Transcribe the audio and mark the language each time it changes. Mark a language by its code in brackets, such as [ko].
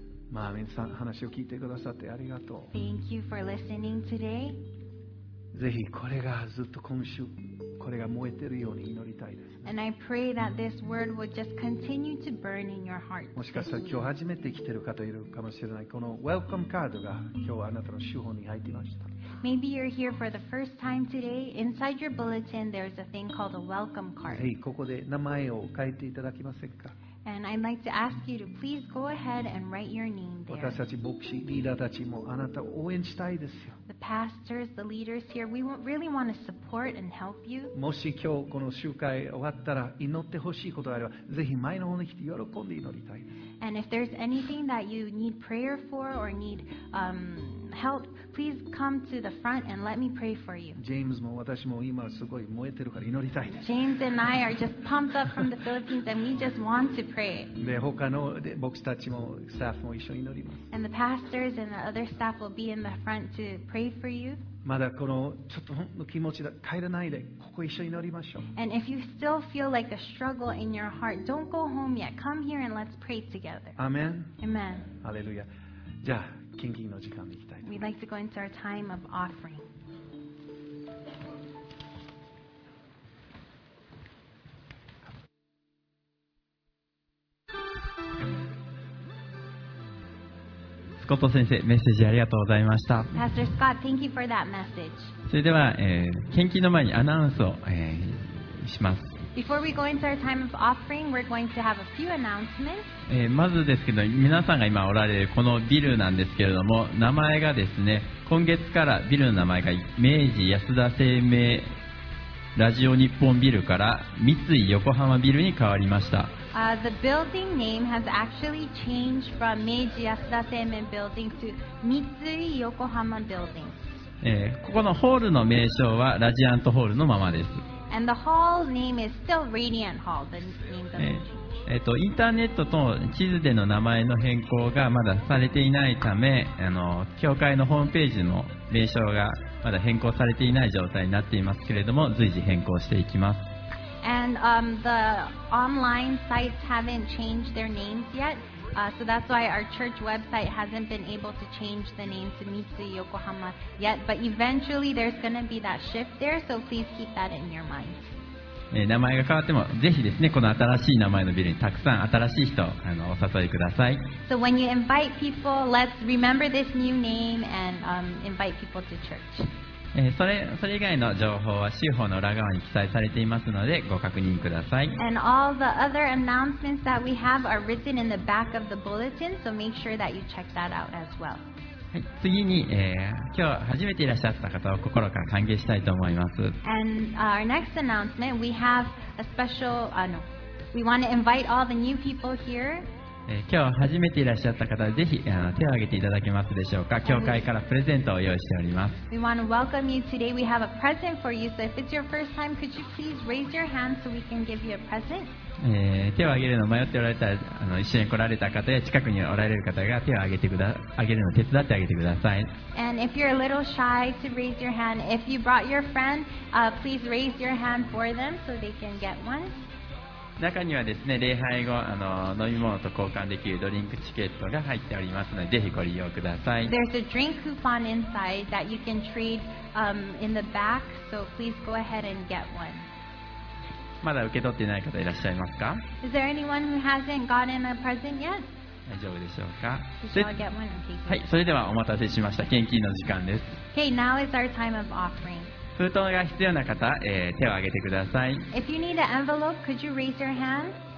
[ja] まあ皆さん話を聞いてくださってありがとう。 [en] Thank you for listening today. [ja] ぜひこれがずっと今週。これが燃えているように祈りたいです、ね、 [en] And I pray that this word would just continue to burn in your heart. [ja] もしかしたら今日初めて来ている方いるかもしれない。この Welcome カードが今日あなたの手本に入っていました。 [en] Maybe you're here for the first time today. Inside your bulletin, there's a thing called a Welcome card. [ja] ぜひここで名前を書いていただけませんか。 [en] And I'd like to ask you to please go ahead and write your name there. [ja] 私たち牧師、リーダーたちもあなたを応援したいですよ。 [en] The pastors, the leaders here, we really want to support and help you. [ja] もし今日この集会終わったら祈ってほしいことがあれば、ぜひ前の方に来て喜んで祈りたいです。 [en] And if there's anything that you need prayer for or need help, please come to the front and let me pray for you. [ja] James も私も今すごい燃えてるから祈りたいです。 [en] James and I are just pumped up from the Philippines and we just want to pray. [ja] で、他の牧師たちもスタッフも一緒に祈ります。 [en] And the pastors and the other staff will be in the front to pray for you. [ja] まだこのちょっと本の気持ちで帰らないでここ一緒に祈りましょう。 [en] And if you still feel like a struggle in your heart, don't go home yet. Come here and let's pray together. Amen. Amen. [ja] ハレルヤ。じゃあ献金の時間に行きたいと思います。 [en] We'd like to go into our time of offering. [ja] スコット先生メッセージありがとうございました。 [en] Pastor Scott, thank you for that message. [ja] それでは、献金の前にアナウンスを、します。 [en] Before we go into our time of offering, we're going to have a few announcements. [ja] まずですけど皆さんが今おられるこのビルなんですけれども名前がですね今月からビルの名前が明治安田生命ラジオ日本ビルから三井横浜ビルに変わりました。 [en] The building name has actually changed from Meiji Yasuda Seimen Building to Mitsui Yokohama Building. [ja] ここのホールの名称はラジアントホールのままです。 [en] And the hall's name is still Radiant Hall. The name doesn't change. [ja] インターネットと地図での名前の変更がまだされていないため、教会のホームページの名称がまだ変更されていない状態になっていますけれども、随時変更していきます。 [en] And the online sites haven't changed their names yet, so that's why our church website hasn't been able to change the name to Mitsui Yokohama yet. But eventually, there's going to be that shift there, so please keep that in your mind. [ja] 名前が変わってもぜひですね、この新しい名前のビルにたくさん新しい人お誘いください。 [en] So when you invite people, let's remember this new name and invite people to church. [ja] それ以外の情報は週報の裏側に記載されていますのでご確認ください。 [en] And all the other announcements that we have are written in the back of the bulletin, so make sure that you check that out as well. [ja] はい、次に、今日初めていらっしゃった方を心から歓迎したいと思います。 [en] And our next announcement, we have a special, we want to invite all the new people here. [ja] 今日初めていらっしゃった方、ぜひ手を挙げていただけますでしょうか。教会からプレゼントを用意しております。 [en] We want to welcome you today. We have a present for you. So if it's your first time, could you please raise your hand so we can give you a present? [ja] 手を挙げるの迷っておられた一緒に来られた方や近くにおられる方が手を挙げるのを手伝ってあげてください。 [en] And if you're a little shy to raise your hand, if you brought your friend, please raise your hand for them so they can get one. [ja] 中にはですね、礼拝後飲み物と交換できるドリンクチケットが入っておりますので、ぜひご利用ください。 [en] There's a drink coupon inside that you can trade in the back, so please go ahead and get one. [ja] まだ受け取っていない方いらっしゃいますか？ [en] Is there anyone who hasn't gotten a present yet? [ja] 大丈夫でしょうか？ [en] Should I get one? [ja] はい、それではお待たせしました。献金の時間です。 [en] Okay, now is our time of offering. [ja] 封筒が必要な方、手を挙げてください。 [en] If you need an envelope, could you raise your hand?